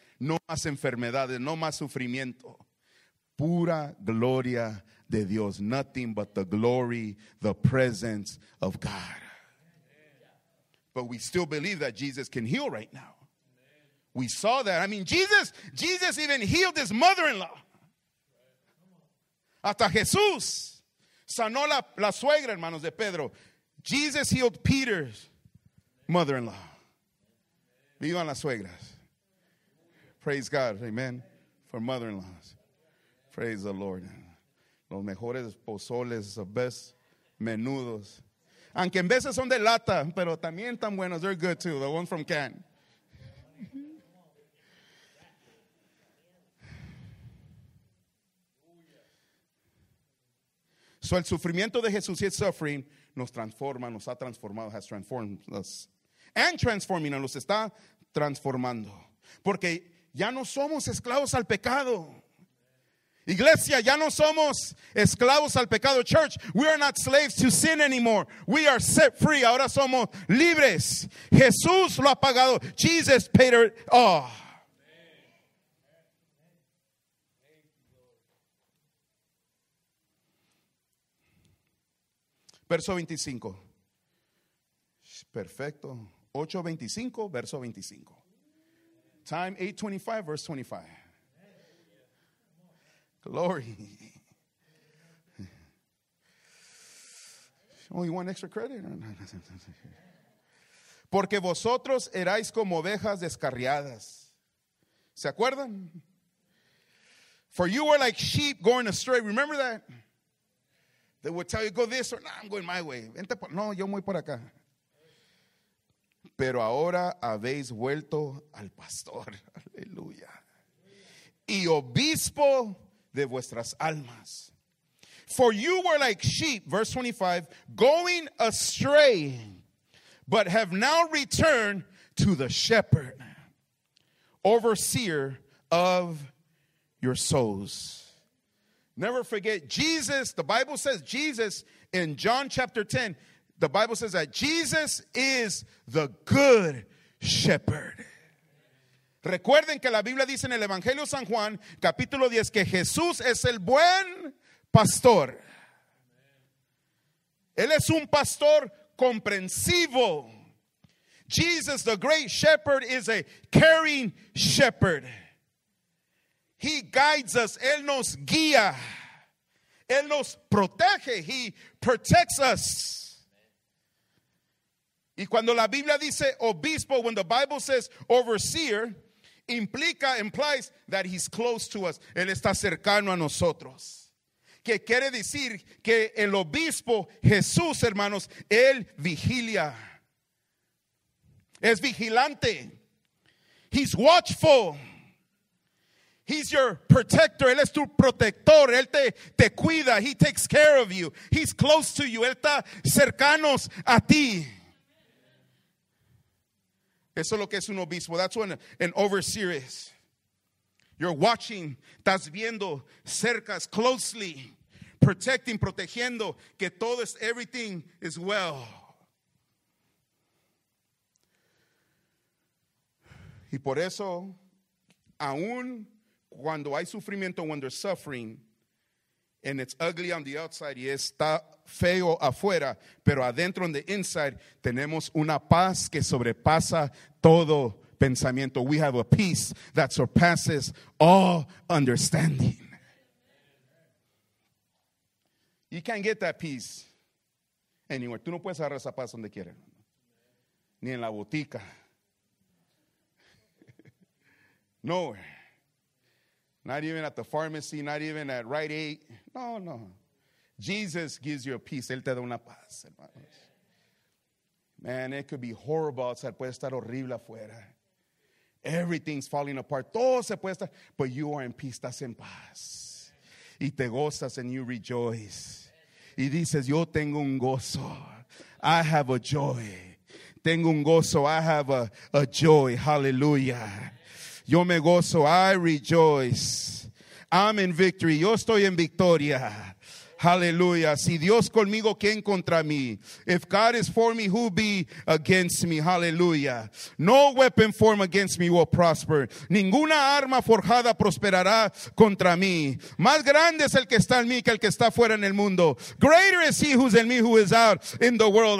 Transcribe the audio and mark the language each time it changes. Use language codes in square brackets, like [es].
[es] No más enfermedades, no más sufrimiento. Pura gloria de Dios. [en] Nothing but the glory, the presence of God. But we still believe that Jesus can heal right now. We saw that. I mean, Jesus even healed his mother-in-law. [es] Hasta Jesús sanó la suegra, hermanos, de Pedro. [en] Jesus healed Peter's mother-in-law. [es] Vivan las suegras. [en] Praise God. Amen. For mother-in-laws. Praise the Lord. [es] Los mejores pozoles, [en] the best menudos. [es] Aunque en veces son de lata, pero también tan buenos. [en] They're good too. The ones from can. [es] So el sufrimiento de Jesús, [en] his suffering, [es] nos transforma, nos ha transformado, [en] has transformed us. And transforming, [es] nos está transformando. Porque ya no somos esclavos al pecado. Iglesia, ya no somos esclavos al pecado. [en] Church, we are not slaves to sin anymore. We are set free. [es] Ahora somos libres. Jesús lo ha pagado. [en] Jesus paid it all. [es] Verso 25. Perfecto. [en] 8:25, [es] verso 25. [en] Time 8:25, verse 25. Glory. Oh, you want extra credit? [es] Porque vosotros erais como ovejas descarriadas. ¿Se acuerdan? [en] For you were like sheep going astray. Remember that? They would tell you, go this or no, I'm going my way. [es] Vente por, no, yo voy por acá. Pero ahora habéis vuelto al pastor. Aleluya. Y obispo de vuestras almas. [en] For you were like sheep, verse 25, going astray, but have now returned to the shepherd, overseer of your souls. Never forget Jesus. The Bible says Jesus in John chapter 10, the Bible says that Jesus is the good shepherd. [es] Recuerden que la Biblia dice en el Evangelio San Juan, capítulo 10, que Jesús es el buen pastor. Él es un pastor comprensivo. [en] Jesus, the great shepherd, is a caring shepherd. He guides us. [es] Él nos guía. Él nos protege. [en] He protects us. [es] Y cuando la Biblia dice obispo, [en] when the Bible says overseer, implies that he's close to us. [es] Él está cercano a nosotros. Que quiere decir que el obispo Jesús, hermanos, él vigila. Es vigilante. [en] He's watchful. He's your protector. [es] Él es tu protector. Él te cuida. [en] He takes care of you. He's close to you. [es] Él está cercano a ti. Eso es lo que es un obispo. [en] That's what an overseer is. You're watching. [es] Estás viendo. [en] Cercas closely. Protecting, [es] protegiendo. Que todo es, [en] everything is well. [es] Y por eso, aún cuando hay sufrimiento, [en] when there's suffering, and it's ugly on the outside, [es] y está feo afuera, pero adentro, [en] on the inside, [es] tenemos una paz que sobrepasa todo pensamiento. [en] We have a peace that surpasses all understanding. You can't get that peace anywhere. [es] Tú no puedes agarrar esa paz donde quieras, ni en la botica. [en] Nowhere. Not even at the pharmacy, not even at Rite Aid. No, no. Jesus gives you a peace. [es] Él te da una paz, hermanos. [en] Man, it could be horrible outside. [es] Puede estar horrible afuera. [en] Everything's falling apart. [es] Todo se puede estar. [en] But you are in peace. [es] Estás en paz. Y te gozas [en] and you rejoice. [es] Y dices, yo tengo un gozo. [en] I have a joy. [es] Tengo un gozo. [en] I have a joy. Hallelujah. [es] Yo me gozo, [en] I rejoice. I'm in victory. [es] Yo estoy en victoria. Hallelujah. Si Dios conmigo, ¿quién contra mí? [en] If God is for me, who be against me? Hallelujah. No weapon formed against me will prosper. [es] Ninguna arma forjada prosperará contra mí. Más grande es el que está en mí que el que está fuera en el mundo. [en] Greater is he who's in me who is out in the world.